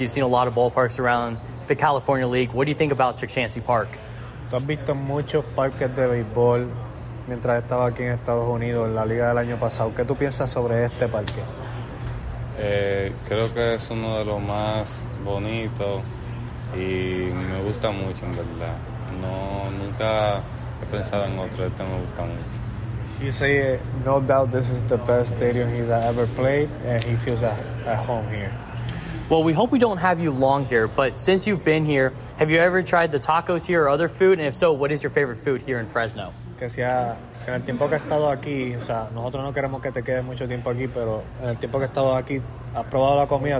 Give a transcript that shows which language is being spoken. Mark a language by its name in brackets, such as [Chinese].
[English] You've seen a lot of ballparks around the California League. What do you think about Chicchansi Park? [Spanish] Tú has visto muchos parques de béisbol mientras estaba aquí en Estados Unidos en la liga del año pasado. ¿Qué tú piensas sobre este parque? Creo que es uno de los más bonitos. Y me gusta mucho, en verdad. No, nunca he pensado en otro. Este me gusta mucho. [English] He said, no doubt this is the best stadium he's ever played, and he feels at home here. Well, we hope we don't have you long here, but since you've been here, have you ever tried the tacos here or other food? And if so, what is your favorite food here in Fresno? [Spanish] Que sea, en el tiempo que he estado aquí, o sea, nosotros no queremos que te quedes mucho tiempo aquí, pero en el tiempo que he estado aquí, ¿has probado la comida?